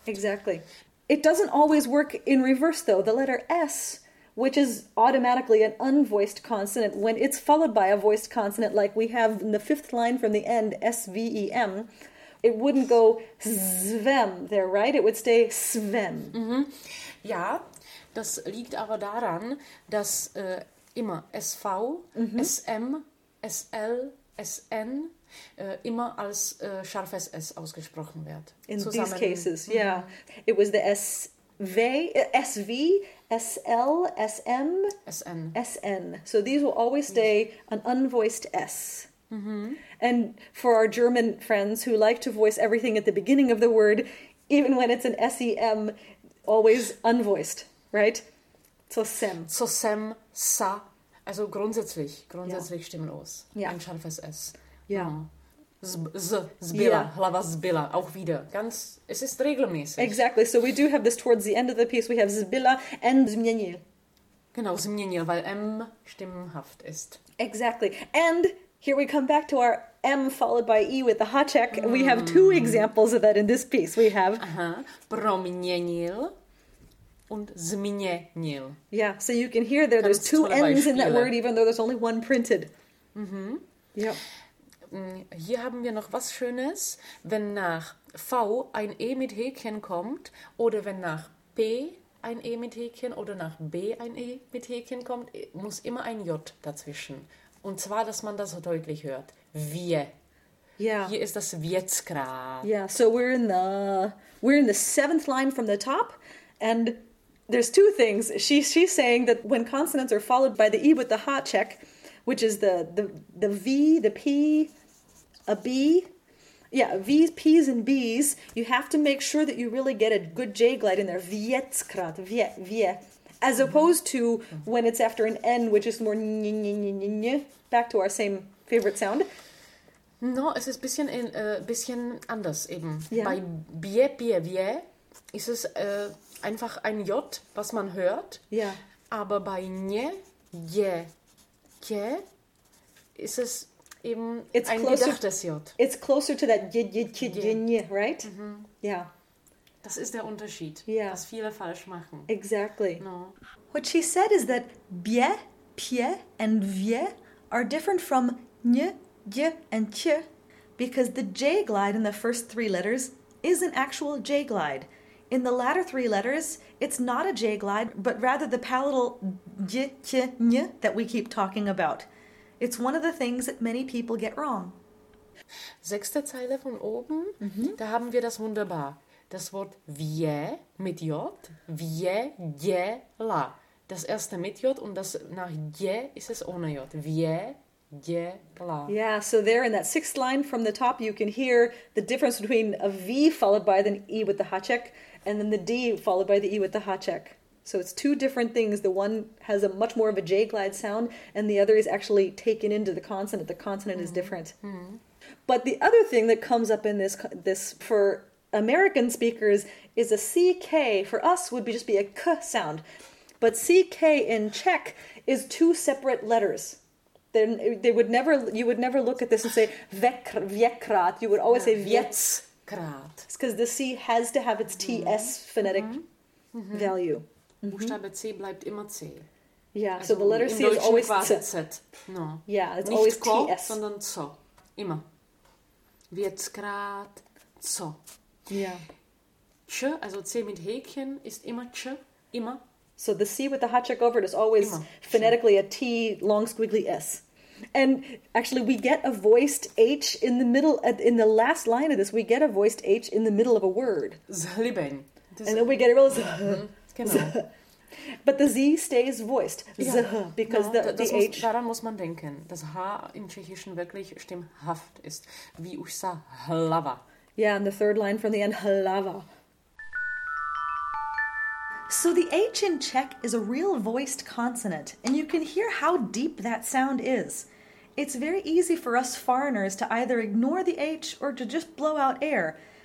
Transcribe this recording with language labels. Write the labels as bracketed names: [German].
[English] Exactly. It doesn't always work in reverse, though. The letter S, which is automatically an unvoiced consonant, when it's followed by a voiced consonant, like we have in the fifth line from the end, S-V-E-M, it wouldn't go zvem there, right? It would stay svem. Mm-hmm. Ja. [German] Das liegt aber daran, dass immer SV, SM, SL, SN immer als scharfes S ausgesprochen wird. [English] In these cases, yeah. It was the SV, SL, SM, SN. SN. So these will always stay an unvoiced S. Mm-hmm. And for our German friends who like to voice everything at the beginning of the word, even when it's an SEM, always unvoiced. Right? Zosem, sa. [German] Also grundsätzlich stimmlos. [English] Yeah. [German] Ein scharfes S. [English] Yeah. [German] Zbila, [English] yeah. [German] Hlava zbila. Auch wieder. Ganz, es ist regelmäßig. [English] Exactly. So we do have this towards the end of the piece. We have zbila and zmienil. [German] Genau, zmienil, weil M stimmhaft ist. [English] Exactly. And here we come back to our M followed by E with the háček. We have two examples of that in this piece. We have [Czech] proměnil. Und zmienil. [English] Yeah, so you can hear there, there's two N's in that word, even though there's only one printed. Mm-hmm. Yep. [German] Hier haben wir noch was Schönes, wenn nach V ein E mit Häkchen kommt, oder wenn nach P ein E mit Häkchen, oder nach B ein E mit Häkchen kommt, muss immer ein J dazwischen. Und zwar, dass man das so deutlich hört. Wie. [English] Yeah. [German] Hier ist das Wietzgra. [English] Yeah, so we're in the seventh line from the top, and there's two things. She's saying that when consonants are followed by the E with the háček, which is the V, the P, a B, Yeah, V's, P's, and B's. You have to make sure that you really get a good J glide in there. Vietskrat, vie. As opposed to when it's after an N, which is more ny. Back to our same favorite sound. [German] No, es ist bisschen anders eben. [English] Yeah. [German] Bei bie, bie, bie ist es einfach ein J, was man hört. Ja. Yeah. Aber bei nje, je, je ist es eben [English] it's [German] ein [English] closer, [German] gedachtes J. [English] It's closer to that je, je, je, je, je, right? Mm-hmm. Yeah. [German] Das ist der Unterschied, [English] yeah. [German] Was viele falsch machen. [English] Exactly. No. What she said is that bie, pie, and vie are different from nje, J and ch, because the J glide in the first three letters is an actual J glide. In the latter three letters, it's not a J glide, but rather the palatal j, ch, ny that we keep talking about. It's one of the things that many people get wrong. [German] Sechste Zeile von oben, mm-hmm. Da haben wir das wunderbar. Das Wort wie mit J, wie, je, la. Das erste mit J und das nach J ist es ohne J. Wie, je, la. [English] Yeah, so there in that sixth line from the top, you can hear the difference between a V followed by an E with the hachek and then the D followed by the E with the hachek. So it's two different things. The one has a much more of a J glide sound and the other is actually taken into the consonant. The consonant mm-hmm. is different. Mm-hmm. But the other thing that comes up in this for American speakers is a CK. For us would be just be a K sound. But CK in Czech is two separate letters. Then you would never look at this and say vekrat. You would always say vietskrat. It's because the C has to have its TS phonetic mm-hmm. Mm-hmm. value. Mm-hmm. [German] Buchstabe C bleibt immer C. [English] Yeah, also so the letter C is always Z. No. Yeah, it's [German] nicht [English] always ko, TS. [German] Sondern so. Immer. Vietskrat, so. [English] Yeah. [German] Ch, also C mit Häkchen, ist immer Ch, immer. [English] So the C with the hachek over it is always phonetically a T, long squiggly S. And actually we get a voiced H in the middle, in the last line of this, we get a voiced H in the middle of a word. Zhliben. And then we get a real Z. [German] Genau. [English] But the Z stays voiced. Z, because the H. [German] Daran muss man denken, dass H im Tschechischen wirklich stimmhaft ist. Wie ich sah, hlava. [English] Yeah, and the third line from the end, hlava. So the H in Czech is a real voiced consonant, and you can hear how deep that sound is. It's very easy for us foreigners to either ignore the H or to just blow out air.